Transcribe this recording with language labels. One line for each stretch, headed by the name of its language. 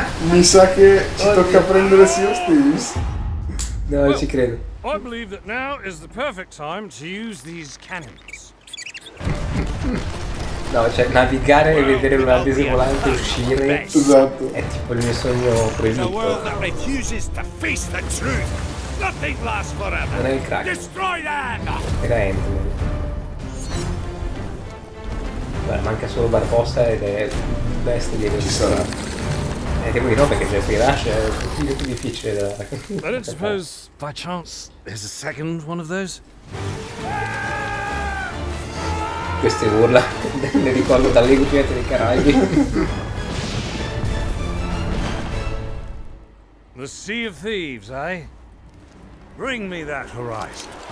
Italian: Mi sa che ci tocca prendere Sea of Thieves. No, well, ci credo.
English: I believe that now is the perfect time to use these cannons.
Italian: No, cioè navigare e vedere una disvolante uscire. Esatto. È tipo il mio sogno proibito.
English: The world that refuses to face the truth. Nothing lasts forever.
Italian: Non è il crack.
English: Destroy them!
Italian: Era Endman. Guarda, manca solo Barbossa ed è il best di ci sarà. E che qui no, perché se si lascia è più difficile da.
English: I don't suppose by chance there's a second one of those.
Italian: Queste urla le ricordo dalle Pirate dei Caraibi.
English: The Sea of Thieves, eh? Bring me that horizon.